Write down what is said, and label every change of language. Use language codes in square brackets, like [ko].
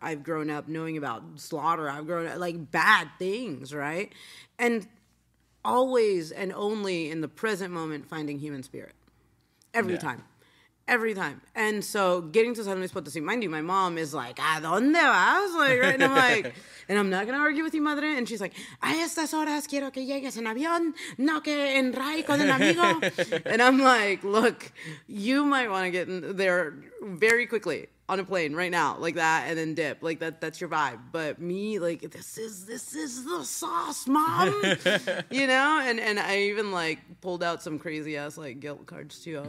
[en] I've grown up knowing about slaughter. I've grown up like bad things. Right. And always and only in the present moment, finding human spirit every time. And so getting to San Luis Potosí, mind you, my mom is like, [es] ¿a dónde vas? [en] Like, right? And I'm like, and I'm not going to argue with you, madre. And she's like, [es] a estas horas quiero que llegues en avión, no que en ray con un amigo. [en] And I'm like, look, you might want to get there very quickly on a plane right now, like that, and then dip. Like, that's your vibe. But me, like, this is the sauce, mom. You know? And I even, like, pulled out some crazy-ass, like, guilt cards, too.